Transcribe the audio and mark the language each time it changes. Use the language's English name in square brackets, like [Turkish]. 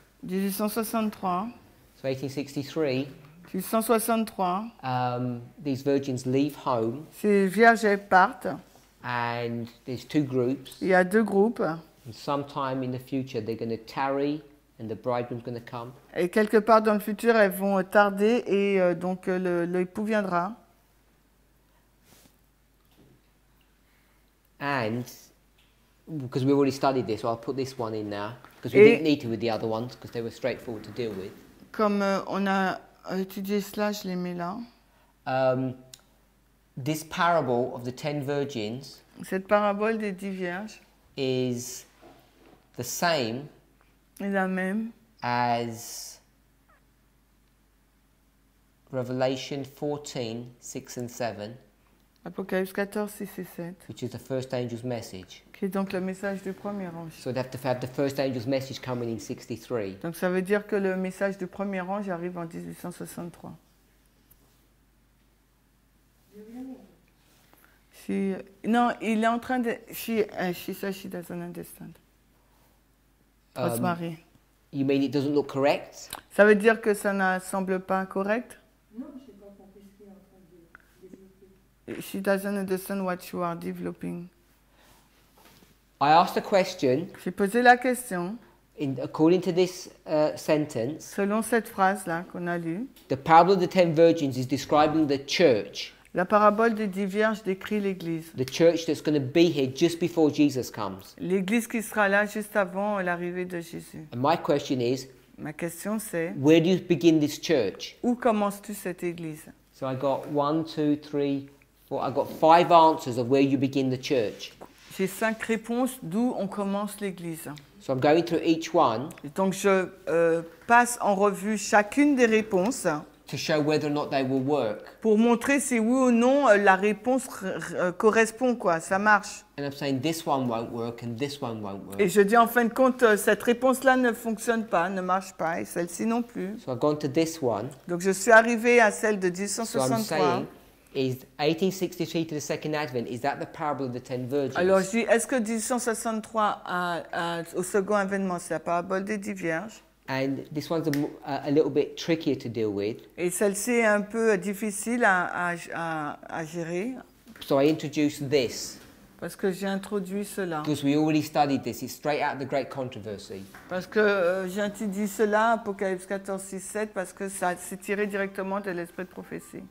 [English] 1863. So 1863. 1863. These virgins leave home. [French] Ces vierges partent. [English] And there's two groups. [French] Il y a deux groupes. [English] And sometime in the future, they're going to tarry, and the bridegroom's going to come. [French] Et quelque part dans le futur, elles vont tarder, et donc l'époux viendra. [English] And because we've already studied this, so I'll put this one in now because we didn't need to with the other ones because they were straightforward to deal with. [French] Comme on a étudié cela, je les mets là. [English] This parable of the 10 virgins. [French] Cette parabole des 10 vierges. [English] Is the same. [French] La même. [English] As Revelation 14, 6 and 7. [French] Apocalypse 14, 6 et 7. [English] Which is the first angel's message. [French] Qui est donc le message du premier ange. [English] So they have to have the first angel's message coming in 63. [French] Donc ça veut dire que le message du premier ange arrive en 1863. Non, il est en train de... [English] She doesn't understand. [French] Rosemary. [English] You mean it doesn't look correct? [French] Ça veut dire que ça ne semble pas correct? Non, je n'ai pas compris ce qu'il est en train de développer. [English] She doesn't understand what you are developing. I asked a question. [French] J'ai posé la question. [English] According to this sentence. [French] Selon cette phrase-là qu'on a lue. [English] The parable of the ten virgins is describing the church. [French] La parabole des dix vierges décrit l'église. [English] The church that's going to be here just before Jesus comes. [French] L'église qui sera là juste avant l'arrivée de Jésus. [English] And my question is, [French] ma question c'est, [English] where do you begin this church? [French] Où commences-tu cette église? [English] So I got 1, 2, 3, 4, I got 5 answers of where you begin the church. [French] J'ai 5 réponses d'où on commence l'église. [English] So I'm going through each one. [French] Et donc je passe en revue chacune des réponses. [English] To show whether or not they will work. [French] Pour montrer si oui ou non la réponse correspond quoi, ça marche. [English] And I'm saying this one won't work and this one won't work. [French] Et je dis en fin de compte cette réponse là ne fonctionne pas, ne marche pas et celle-ci non plus. [English] So I've gone to this one. [French] Donc je suis arrivé à celle de 1863. [English] So I'm saying, is 1863 to the second advent, is that the parable of the ten virgins? [French] Alors je dis, est-ce que 1863 au second avènement c'est la parabole des dix vierges? [English] And this one's a little bit trickier to deal with. [French] Et celle-ci est un peu difficile à gérer. [English] So I introduce this. [French] Parce que j'ai introduit cela. [English] Because we already studied this. It's straight out of the great controversy. [French] Parce que j'ai introduit cela, Apocalypse 14, 6, 7, parce que ça s'est tiré directement de l'esprit de prophétie.